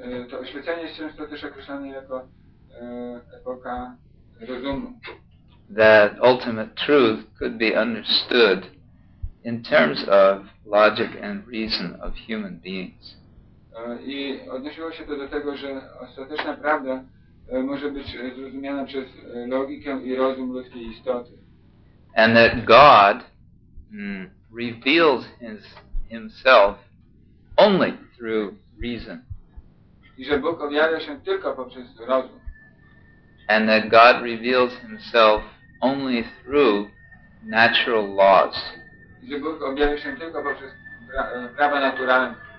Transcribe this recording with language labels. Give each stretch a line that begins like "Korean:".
Polish: To oświecenie jest często też określane jako epoka rozumu.
English: That ultimate truth could be understood in terms of logic and reason of human beings.
Polish: I odnosiło się to do tego, że ostateczna prawda może być zrozumiana przez logikę i rozum ludzkiej istoty.
English: And that God reveals himself only through reason.
Polish: I że Bóg objawia się tylko poprzez rozum.
English: And that God reveals himself only through natural laws.
Polish: Że Bóg objawia się tylko poprzez prawa naturalne.